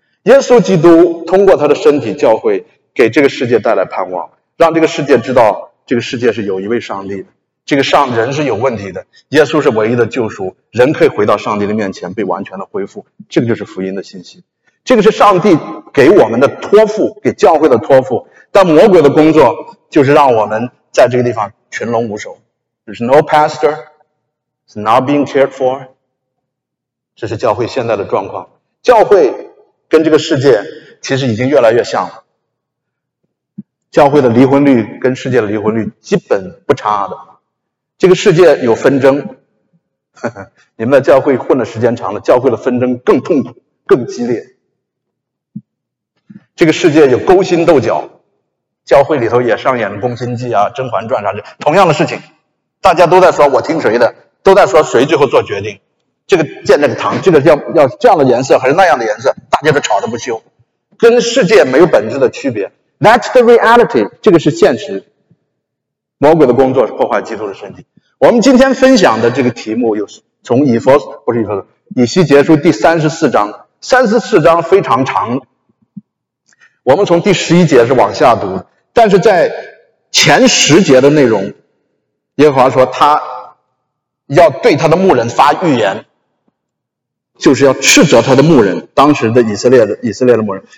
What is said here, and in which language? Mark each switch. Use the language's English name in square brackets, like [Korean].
[Chinese] 耶稣基督通过他的身体教会给这个世界带来盼望，让这个世界知道这个世界是有一位上帝的，这个上人是有问题的，耶稣是唯一的救赎，人可以回到上帝的面前被完全的恢复，这个就是福音的信息，这个是上帝给我们的托付，给教会的托付。但魔鬼的工作就是让我们在这个地方群龙无首。 [English] There's no pastor, it's not being cared for。 [Chinese] 这是教会现在的状况，教会跟这个世界其实已经越来越像了，教会的离婚率跟世界的离婚率基本不差的。这个世界有纷争，你们的教会混的时间长了，教会的纷争更痛苦更激烈。这个世界有勾心斗角，教会里头也上演了宫心计啊、甄嬛传啥的，同样的事情，大家都在说我听谁的，都在说谁最后做决定，这个建这个堂，这个要这样的颜色还是那样的颜色，大家都吵得不休，跟世界没有本质的区别。 [English] That's the reality， [Chinese] 这个是现实。魔鬼的工作是破坏基督的身体。我们今天分享的这个题目，有从以弗不是以弗所，以西结书第34章，34章非常长，我们从第11节是往下读，但是在前10节的内容，耶和华说他要对他的牧人发预言，就是要斥责他的牧人，当时的以色列的牧人。